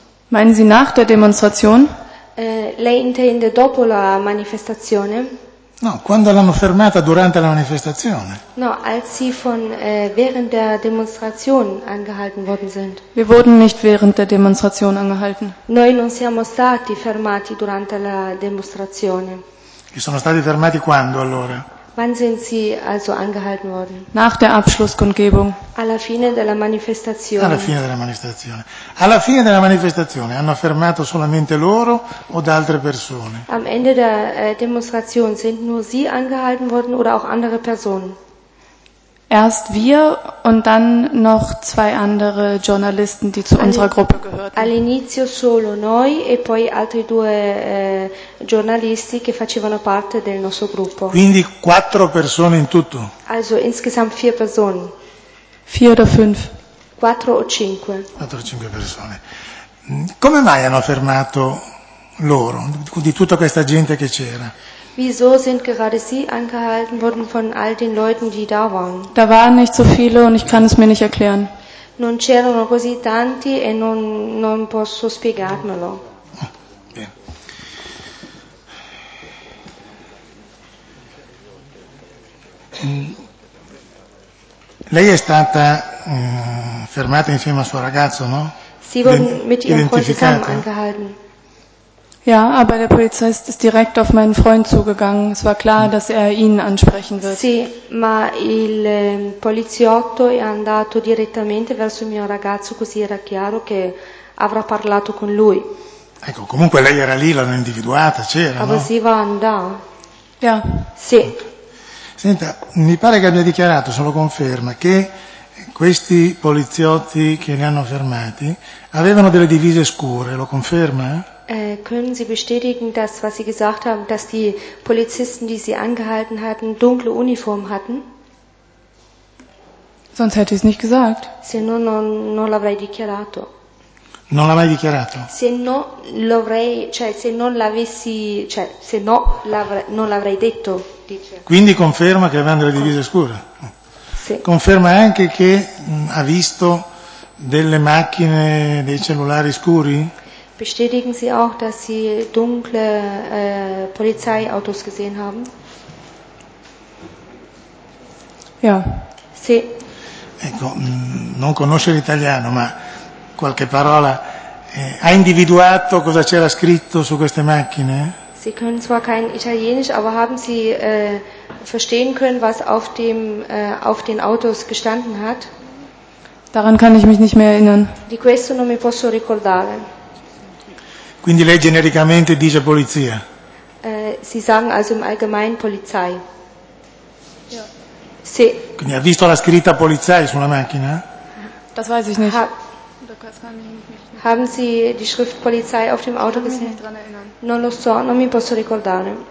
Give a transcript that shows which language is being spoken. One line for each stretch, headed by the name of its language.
German: Meinen Sie nach der Demonstration?
Italian: Lei intende dopo la manifestazione? No, quando l'hanno fermata durante la manifestazione.
German: No, als sie von während der Demonstration angehalten worden sind. Wir wurden nicht während der Demonstration angehalten.
Italian: Noi non siamo stati fermati durante la demonstrazione. E sono stati fermati quando allora?
German: Wann sind sie also angehalten worden? Nach der Abschlusskundgebung.
Italian: Alla fine della manifestazione. Alla fine della manifestazione. Alla fine della manifestazione hanno fermato solamente loro o da altre persone?
German: Am Ende der Demonstration sind nur sie angehalten worden oder auch andere Personen? Erst wir und dann noch zwei andere Journalisten, die zu unserer Gruppe gehörten.
Italian: All'inizio solo noi e poi altri due giornalisti che facevano parte del nostro gruppo. Quindi quattro persone in tutto.
German: Also insgesamt vier Personen. Vier oder fünf.
Italian: Quattro o cinque. Quattro o cinque persone. Come mai hanno fermato loro, di tutta questa gente che c'era?
German: Wieso sind gerade Sie angehalten worden von all den Leuten, die da waren? Da waren nicht so viele und ich kann es mir nicht erklären.
Italian: Non c'erano così tanti e non posso spiegarmelo. Lei è stata fermata insieme al suo ragazzo, no?
German: Sie wurden mit ihrem Freund zusammen angehalten. Ja, aber der Polizist ist direkt auf meinen Freund zugegangen. Es war klar, dass er ihn ansprechen wird.
Italian: Sì, ma il poliziotto è andato direttamente verso il mio ragazzo, così era chiaro che avrà parlato con lui. Ecco, comunque lei era lì, l'hanno individuata, c'era,
German: aber
Italian: no?
German: Aber sie waren da. Ja.
Italian: Sì. Senta, mi pare che abbia dichiarato, se lo conferma, che questi poliziotti che li hanno fermati avevano delle divise scure, lo conferma?
German: Können Sie bestätigen, dass, was Sie gesagt haben, dass die Polizisten, die Sie angehalten hatten, dunkle Uniform hatten? Sonst hätte ich es nicht gesagt.
Italian: Se no, non l'avrei dichiarato. Non l'avrei dichiarato? Se no, non l'avrei detto. Dice. Quindi conferma che avevano delle divise scure? Sì. Conferma anche che ha visto delle macchine, dei cellulari scuri?
German: Bestätigen Sie auch, dass Sie dunkle Polizeiautos gesehen haben? Ja.
Italian: Sì. Ecco, non conosce l'italiano, ma qualche parola. Ha individuato cosa c'era scritto su queste macchine?
German: Sie können zwar kein Italienisch, aber haben Sie verstehen können, was auf den Autos gestanden hat? Daran kann ich mich nicht mehr erinnern.
Italian: Di questo non mi posso ricordare. Quindi lei genericamente dice polizia.
German: Sie sagen also im Allgemeinen Polizei. Ja.
Italian: Sì. Quindi ha visto la scritta polizia sulla macchina?
German: Das weiß ich nicht. Haben Sie die Schrift Polizei auf dem Auto gesehen?
Italian: Non lo so, non mi posso ricordare.